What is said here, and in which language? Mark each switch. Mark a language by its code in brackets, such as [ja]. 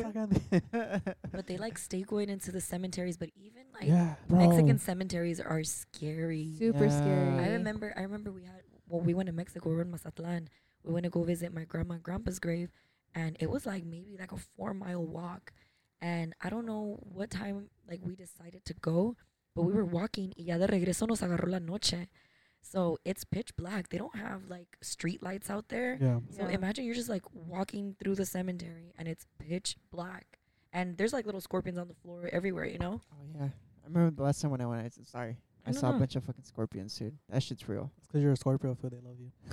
[en] But they, like, stay going into the cemeteries, but even, like, Mexican cemeteries are scary. Super scary. I remember we had... Well, we went to Mexico. We were in Mazatlán. We went to go visit my grandma and grandpa's grave, and it was like maybe like a 4-mile walk. And I don't know what time like we decided to go, but we were walking. [es] Y ya de regreso nos agarró la noche. [en] So it's pitch black. They don't have like street lights out there. Yeah. So yeah. Imagine you're just like walking through the cemetery and it's pitch black. And there's like little scorpions on the floor everywhere, you know? Oh, yeah. I remember the last time when I went, I said, sorry. I saw a bunch of fucking scorpions, dude. That shit's real. It's because you're a Scorpio, so they love you.